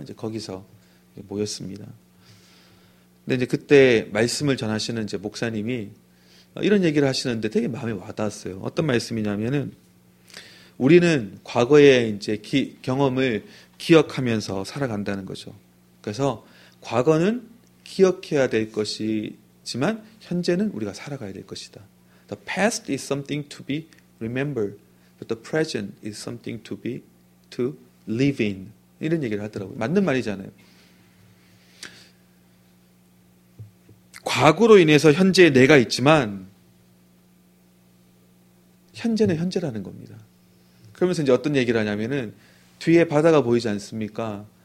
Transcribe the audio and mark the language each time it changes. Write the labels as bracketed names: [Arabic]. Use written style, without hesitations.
[Korean] 이제 거기서 모였습니다. 근데 이제 그때 말씀을 전하시는 이제 목사님이 이런 얘기를 하시는데 되게 마음에 와닿았어요. 어떤 말씀이냐면은 우리는 과거의 이제 경험을 기억하면서 살아간다는 거죠. 그래서 과거는 기억해야 될 것이지만 현재는 우리가 살아가야 될 것이다. [English] The past is something to be remembered, but the present is something to be to live in. [Korean] 이런 얘기를 하더라고요. 맞는 말이잖아요. 과거로 인해서 현재의 내가 있지만 현재는 현재라는 겁니다. 그러면서 이제 어떤 얘기를 하냐면은 뒤에 바다가 보이지 않습니까?